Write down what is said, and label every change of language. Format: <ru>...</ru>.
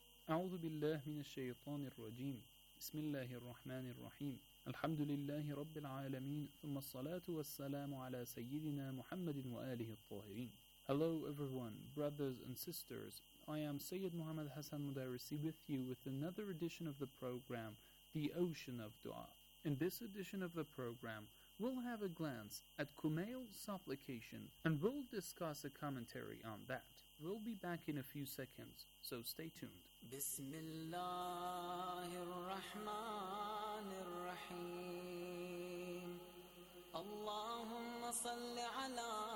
<ar>أعوذ بالله من الشيطان الرجيم بسم الله الرحمن الرحيم الحمد لله رب العالمين ثم الصلاة والسلام على سيدنا محمد وآله الطاهرين</ar> <en>Hello everyone, brothers and sisters. I am Sayyid Muhammad Hassan Mudarisi with you with another edition of the program, The Ocean of Dua. In this edition of the program, we'll have a glance at Kumail's supplication and we'll discuss a commentary on that. We'll be back in a few seconds, so stay tuned.</en> <ar>بسم الله الرحمن الرحيم اللهم صل على</ar>